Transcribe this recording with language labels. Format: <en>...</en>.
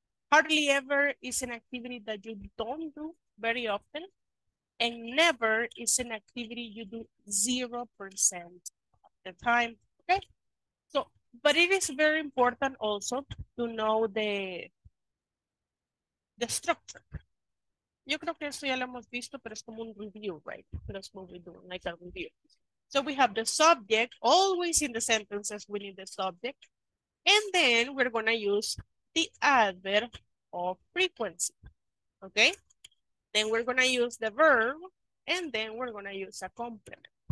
<en>Hardly ever is an activity that you don't do very often. And never is an activity you do 0% of the time. Okay. So, but it is very important also to know the structure.</en> <es>Yo creo que esto ya lo hemos visto, pero es como un review,</es> <en>right?</en> <es>Pero es como</es> <en>we do, like a review. So we have the subject, always in the sentences we need the subject. And then we're going to use the adverb of frequency. Okay? Then we're going to use the verb, and then we're going to use a complement.</en>